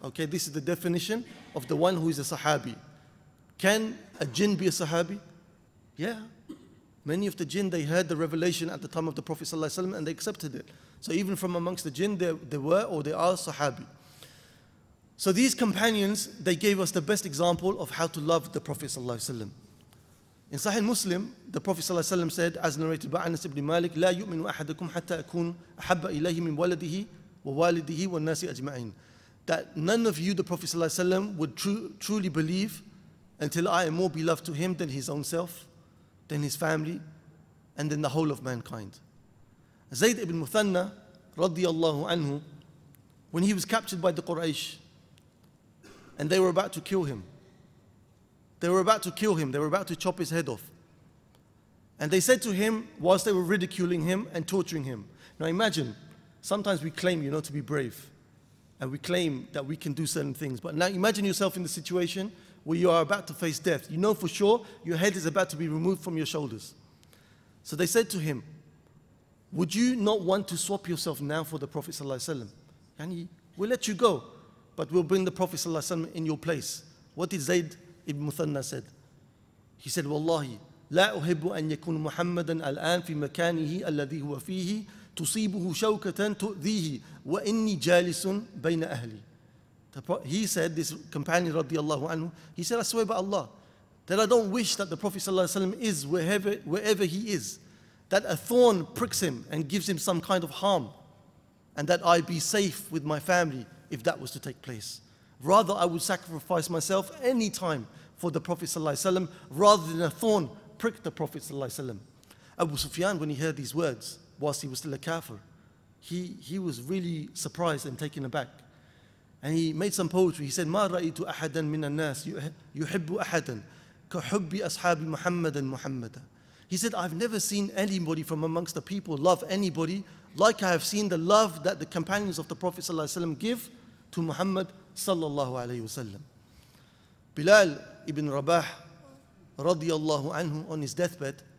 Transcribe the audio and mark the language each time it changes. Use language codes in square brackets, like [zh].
[en] Okay, this is the definition of the one who is a Sahabi. Can a jinn be a Sahabi? Yeah. Many of the jinn, they heard the revelation at the time of the Prophet ﷺ and they accepted it. So even from amongst the jinn, they were or they are Sahabi. So these companions, they gave us the best example of how to love the Prophet ﷺ. In Sahih Muslim, the Prophet ﷺ said, as narrated by Anas ibn Malik, لا يؤمن أحدكم حتى أكون أحب إليه من ولده ووالده والناس أجمعين. That none of you, the Prophet ﷺ, would truly believe until I am more beloved to him than his own self, than his family, and then the whole of mankind. Zayd ibn Muthanna, رضي الله عنه, when he was captured by the Quraysh, and they were about to kill him. They were about to kill him. They were about to chop his head off. And they said to him, whilst they were ridiculing him and torturing him. Now imagine, sometimes we claim, you know, to be brave. And we claim that we can do certain things. But now imagine yourself in the situation where you are about to face death. You know for sure your head is about to be removed from your shoulders. So they said to him, would you not want to swap yourself now for the Prophet ﷺ? And he, we'll let you go, but we'll bring the Prophet ﷺ in your place. What did Zayd ibn Muthanna said? [ar] He said, Wallahi, لا أحب أن يكون محمدا الآن في مكانه الذي هو فيه تصيبه شوكة تؤذيه وإني جالس بين أهلي. [en] He said, this companion رضي الله عنه, he said, I swear by Allah that I don't wish that the Prophet ﷺ is wherever he is, that a thorn pricks him and gives him some kind of harm, and that I be safe with my family if that was to take place. Rather, I would sacrifice myself any time for the Prophet ﷺ, rather than a thorn prick the Prophet ﷺ. Abu Sufyan, when he heard these words, whilst he was still a kafir, he was really surprised and taken aback. And he made some poetry. [ar] He said, مَا رَأِيْتُ أَحَدًا مِنَ النَّاسِ يُحِبُّ أَحَدًا كَحُبِّ أَصْحَابِ مُحَمَّدًا مُحَمَّدًا. [en] He said, I've never seen anybody from amongst the people love anybody like I have seen the love that the companions of the Prophet ﷺ give to Muhammad sallallahu alayhi wasallam. Bilal ibn Rabah radiallahu anhu, on his deathbed,